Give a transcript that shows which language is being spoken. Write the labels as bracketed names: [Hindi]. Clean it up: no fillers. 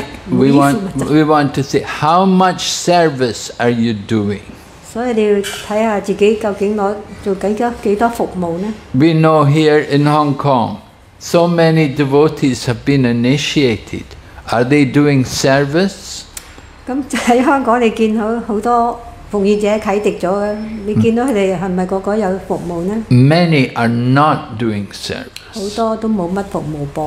[English] we want to say, how much service are you doing? [Chinese] 所以你要看看自己究竟做多少服務呢? [English] We know here in Hong Kong, so many devotees have been initiated. Are they doing service? [Chinese] 在香港你見到很多奉獻者啟迪了,你見到他們是不是個個有服務呢? [English] Many are not doing service. [Chinese] 很多都沒有什麼服務幫.